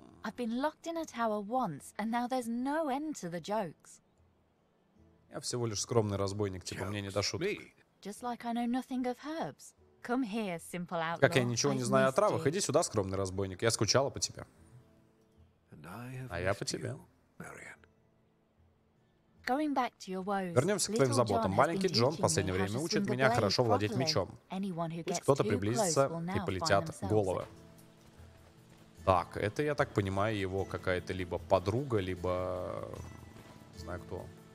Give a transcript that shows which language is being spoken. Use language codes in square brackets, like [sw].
[en] I've been locked in a tower once, and now there's no end to the jokes. [ru] Я всего лишь скромный разбойник, типа мне не до шуток. [en] Just like I know nothing of herbs. Come here, simple outlaw. [ru] Как я ничего не знаю о травах, иди сюда, скромный разбойник. Я скучала по тебе. А я по тебе. Вернемся к твоим заботам. Маленький Джон в последнее время учит меня хорошо владеть мечом. Пусть кто-то приблизится, и полетят головы. Так, это, я так понимаю, его какая-то либо подруга, либо... Не знаю кто.